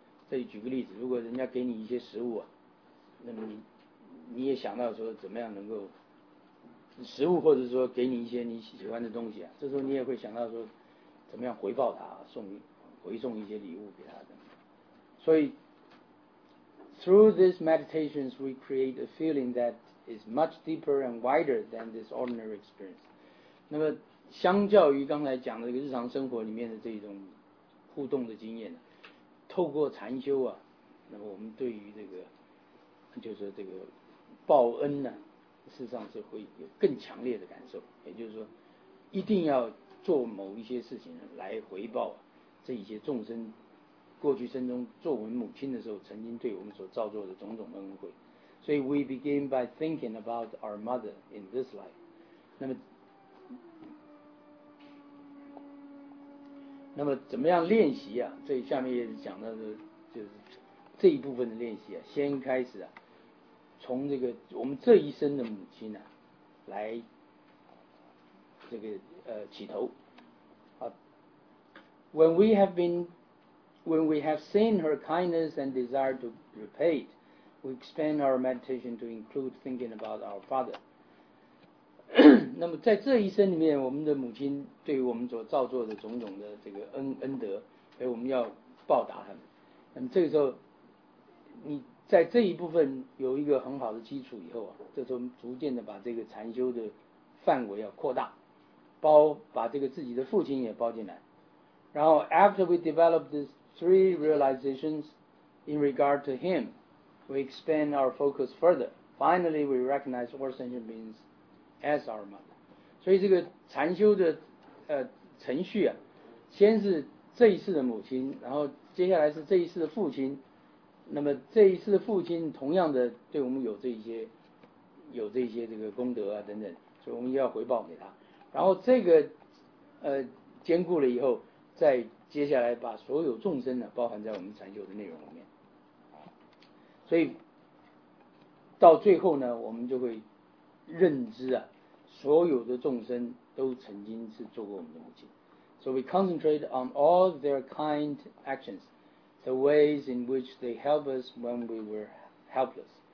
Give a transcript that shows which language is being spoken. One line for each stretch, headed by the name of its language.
Chinese: 这里举个例子，如果人家给你一些食物啊，那么你也想到说怎么样能够食物，或者说给你一些你喜欢的东西啊，这时候你也会想到说怎么样回报他，回送一些礼物给他的。所以
English: through these meditations we create a feeling that is much deeper and wider than this ordinary experience.
Chinese: 那么相较于刚才讲的这个日常生活里面的这种互动的经验，透过禅修啊，那么我们对于这个就是这个报恩呢，事实上是会有更强烈的感受。也就是说一定要做某一些事情来回报这一些众生过去生中作为母亲的时候曾经对我们所造作的种种恩惠。所以
English: we begin by thinking about our mother in this life.
Chinese: 那么怎么样练习啊，这下面也讲到的就是这一部分的练习啊，先开始啊从这个我们这一生的母亲啊来这个起头啊。
English: When we have seen her kindness and desire to repay it, we expand our meditation to include thinking about our father.
Chinese: 那么在这一生里面，我们的母亲对于我们所造作的种种的这个恩德，所以我们要报答他们。那么这个时候你在这一部分有一个很好的基础以后啊，这时候逐渐的把这个禅修的范围要扩大，把这个自己的父亲也包进来。然后
English: after we develop these three realizations in regard to him, we expand our focus further. Finally, we recognize all sentient beingsas our mother.
Chinese: 所以这个禅修的程序啊，先是这一世的母亲，然后接下来是这一世的父亲，那么这一世的父亲同样的对我们有这些这个功德啊等等，所以我们要回报给他。然后这个兼顾了以后，再接下来把所有众生呢包含在我们禅修的内容里面。所以到最后呢，我们就会认知啊，所有的众生都曾经是做过我们的母亲。
English: So we concentrate on all their kind actions, the ways in which they help us when we were helpless.